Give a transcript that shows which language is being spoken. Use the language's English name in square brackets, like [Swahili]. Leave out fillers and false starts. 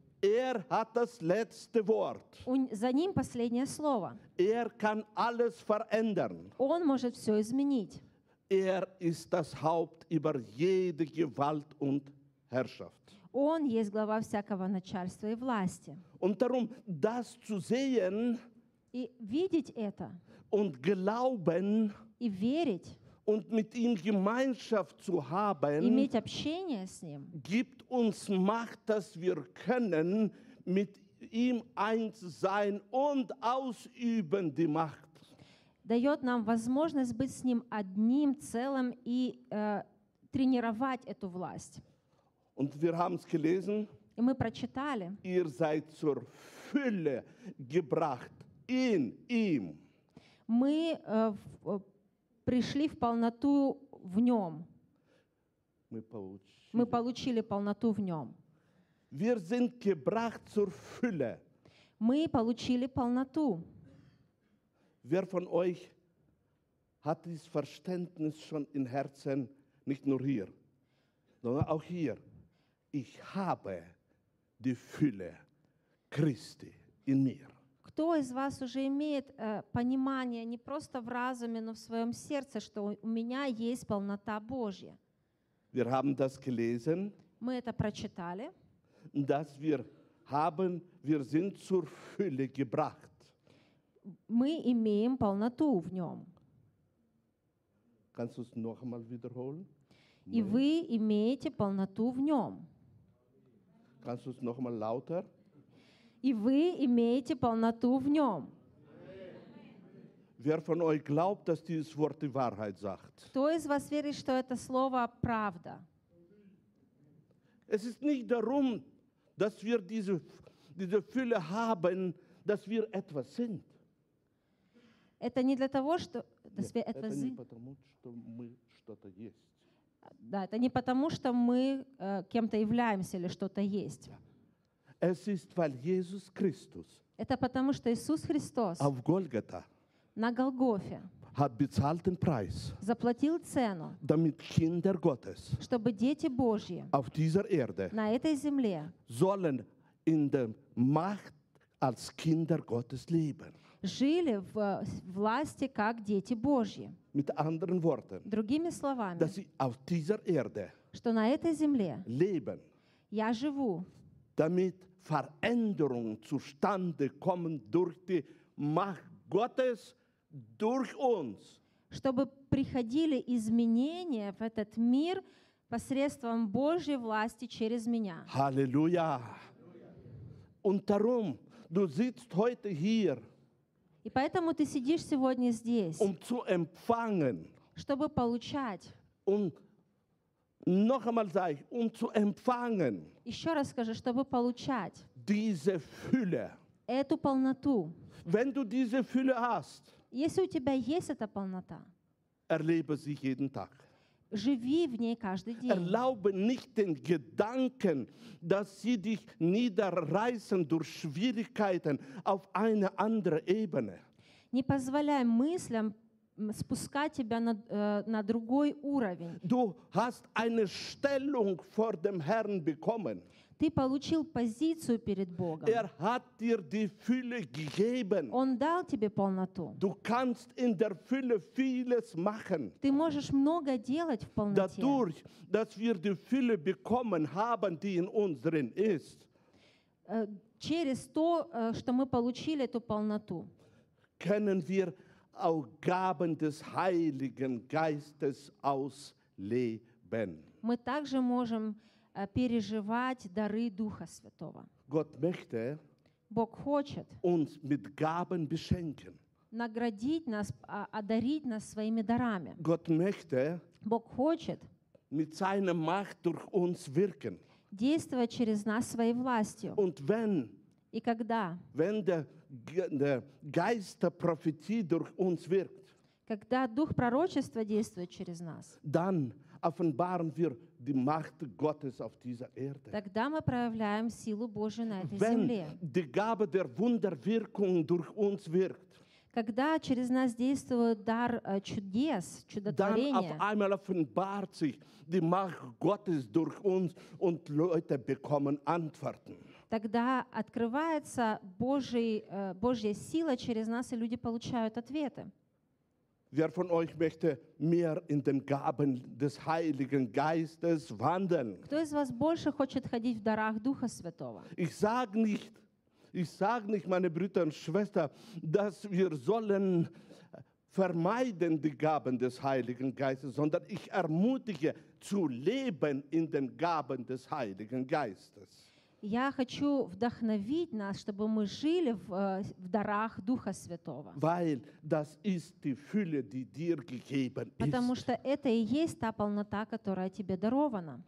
[German] Er hat das letzte Wort. [Russian] За ним последнее слово. [German] Er kann alles verändern. [Russian] Он может все изменить. [German] Er ist das Haupt über jede Gewalt und Herrschaft. [Russian] Он есть глава всякого начальства и власти. [German] Und darum, das zu sehen [Russian] и видеть это [German] und glauben [Russian] и верить [German] und mit ihm Gemeinschaft zu haben, [Russian] иметь общение с ним, [German] gibt uns Macht, dass wir können mit ihm eins sein und ausüben die Macht. [Russian] Дает нам возможность быть с ним одним целым и тренировать эту власть. [German] Und wir haben's gelesen. [Russian] И мы прочитали. [German] Ihr seid zur Fülle gebracht in ihm. [Russian] Мы пришли в полноту в нём. Мы получили полноту в нем. [German] Wir sind gebracht zur Fülle. [Russian] Мы получили полноту. [German] Wer von euch hat dieses Verständnis schon im Herzen, nicht nur hier, sondern auch hier? Ich habe die Fülle Christi in mir. [Russian] Кто из вас уже имеет понимание не просто в разуме, но в своем сердце, что у меня есть полнота Божья? [German] Wir haben das gelesen. [Russian] Мы это прочитали. [German] Dass wir haben, wir sind zur Fülle gebracht. [Russian] Мы имеем полноту в нем. [German] Kannst du es noch einmal wiederholen? [Russian] И вы имеете полноту в нем. [German] Kannst du es noch einmal lauter? [Russian] И вы имеете полноту в нем. [German] Wer von euch glaubt, dass dieses Wort die Wahrheit sagt? [Russian] Кто из вас верит, что это слово правда? [German] Es ist nicht darum, dass wir diese Fülle haben, dass wir etwas sind. [Russian] Это не для того, что [German] dass wir etwas sind. [Russian] Это не потому, что мы что-то есть. Да, это не потому, что мы кем-то являемся или что-то есть. [German] Es ist, weil Jesus Christus. [Russian] Это потому, что Иисус Христос [German] auf Golgatha [Russian] на Голгофе [German] hat bezahlt den Preis, [Russian] заплатил цену, [German] damit Kinder Gottes, [Russian] чтобы дети Божьи [German] auf dieser Erde, [Russian] на этой земле [German] sollen in der Macht als Kinder Gottes leben. [Russian] Жили в власти как дети Божьи. [German] Mit anderen Worten, [Russian] другими словами, [German] dass sie auf dieser Erde, [Russian] что на этой земле [German] leben, [Russian] я живу, [German] damit Veränderung zustande kommen durch die Macht Gottes durch uns. [Russian] Чтобы приходили изменения в этот мир посредством Божьей власти через меня. [German] Halleluja. Und darum, du sitzt heute hier. [Russian] И поэтому ты сидишь сегодня здесь. [German] Um zu empfangen. [Russian] Чтобы получать. [German] Und noch einmal sage ich, um zu empfangen. [Russian] Еще раз скажу, чтобы получать [German] diese Fülle, [Russian] эту полноту. [German] Wenn du diese Fülle hast, [Russian] если у тебя есть эта полнота, [German] erlebe sie jeden Tag. [Russian] Живи в ней каждый день. [German] Erlaube nicht den Gedanken, dass sie dich niederreißen durch Schwierigkeiten auf eine andere Ebene. [Russian] Не позволяй мыслям спускать тебя на другой уровень. [German] Du hast eine Stellung vor dem Herrn bekommen. [Russian] Ты получил позицию перед Богом. [German] Er hat dir die Fülle gegeben. [Russian] Он дал тебе полноту. [German] Du kannst in der Fülle vieles machen. [Russian] Ты можешь много делать в полноте. [German] Dadurch, dass wir die Fülle bekommen haben, die in uns drin ist. [Russian] Через то, что мы получили эту полноту. [German] Können wir auch Gaben des Heiligen Geistes ausleben. [Russian] Мы также можем переживать дары Духа Святого. [German] Gott möchte [Russian] Бог хочет [German] uns mit Gaben beschenken. [Russian] Наградить нас, одарить нас своими дарами. [German] Gott möchte [Russian] Бог хочет [German] mit seiner Macht durch uns wirken. [Russian] Действовать через нас своей властью. [German] Und wenn [Russian] и когда? [German] Wenn der Geist der Prophetie durch uns wirkt. [Russian] Когда Дух пророчества действует через нас. [German] Dann offenbaren wir die Macht Gottes auf dieser Erde. [Russian] Тогда мы проявляем силу Божию на этой [German] Wenn [Russian] земле. [German] Die Gabe der Wunderwirkung durch uns wirkt. [Russian] Когда через нас действует дар чудес, чудотворения. [German] Dann auf einmal offenbart sich die Macht Gottes durch uns und Leute bekommen Antworten. [Russian] Тогда открывается Божья сила через нас, и люди получают ответы. [German] Wer von euch möchte mehr in den Gaben des Heiligen Geistes wandeln? [Russian] Кто из вас больше хочет ходить в дарах Духа Святого? [German] Ich sag nicht, meine Brüder und Schwestern, dass wir sollen vermeiden die Gaben des Heiligen Geistes, sondern ich ermutige zu leben in den Gaben des Heiligen Geistes. [Russian] Я хочу вдохновить нас, чтобы мы жили в дарах Духа Святого. [German] Weil das ist die Fülle, die dir gegeben ist. [Russian] Потому что это и есть та полнота, которая тебе дарована.